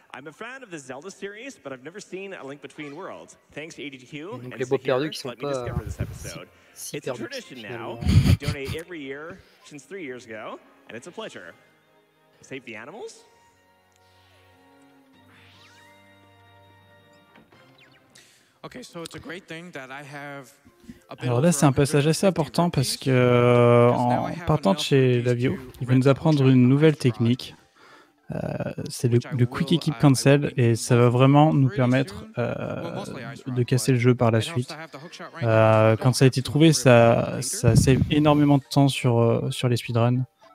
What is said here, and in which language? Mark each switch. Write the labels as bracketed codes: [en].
[en] I'm a fan of the Zelda series, but I've never seen A Link Between Worlds. Thanks, ADQ. [fr] Donc les beaux perdus qui sont pas si perdus. [en] It's a tradition now. I donate every year since 3 years ago, and it's a pleasure. Save the animals. Okay, so it's a great thing that I have. [fr] Alors là, c'est un passage assez important parce que en partant de chez Lavio, il va nous apprendre une nouvelle technique. C'est le Quick Equip Cancel et ça va vraiment nous permettre de casser le jeu par la suite. Quand ça a été trouvé, ça save énormément de temps sur les speedruns.